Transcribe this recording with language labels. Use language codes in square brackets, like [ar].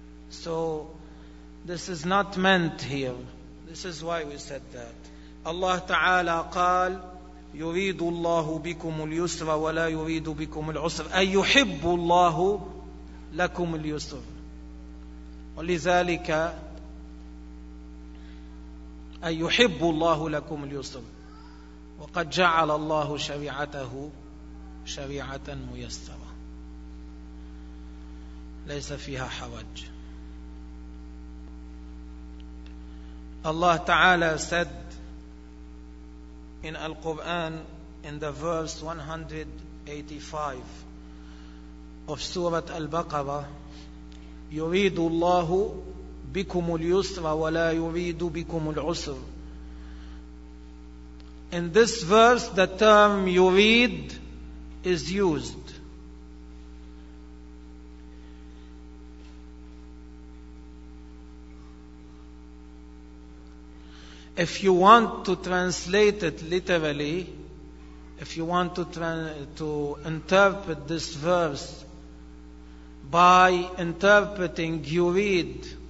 [en] So this is not meant here. This is why we said that. [ar] Allah Ta'ala قال يريد الله بكم اليسر ولا يريد بكم العسر أي يحب الله لكم اليسر ولذلك أي يحب الله لكم اليسر وقد جعل الله شريعته شريعة ميسرة ليس فيها حرج. [en] الله تعالى said in Al-Quran, in the verse 185 of Surah Al-Baqarah, [ar] يُرِيدُ اللَّهُ بِكُمُ الْيُسْرَ وَلَا يُرِيدُ بِكُمُ الْعُسْرَ. [en] In this verse, the term يُرِيد is used. If you want to translate it literally, if you want to interpret this verse by interpreting yurid,